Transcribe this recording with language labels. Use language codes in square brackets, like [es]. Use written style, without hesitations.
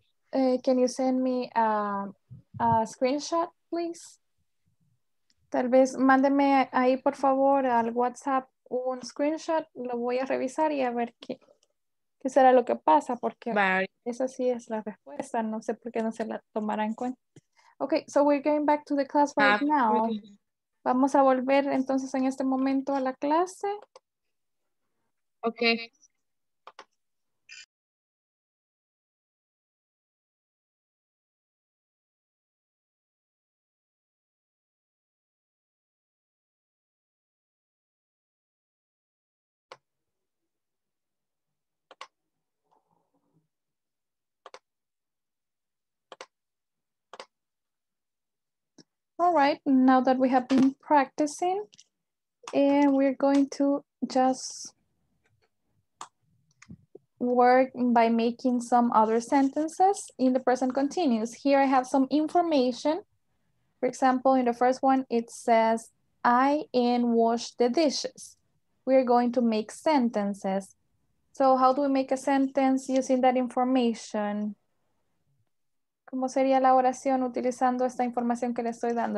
[en] Can you send me a screenshot, please? [es] Tal vez mándeme ahí, por favor, al WhatsApp un screenshot. Lo voy a revisar y a ver qué será lo que pasa. Porque [en] bye. [es] Esa sí es la respuesta. No sé por qué no se la tomará en cuenta. [en] Okay, so we're going back to the class right now. [es] Vamos a volver entonces en este momento a la clase. [en] Okay. All right, now that we have been practicing, and we're going to just work by making some other sentences in the present continuous. Here I have some information. For example, in the first one, it says, I and wash the dishes. We're going to make sentences. So how do we make a sentence using that information? [es] ¿Cómo sería la oración utilizando esta información que le estoy dando?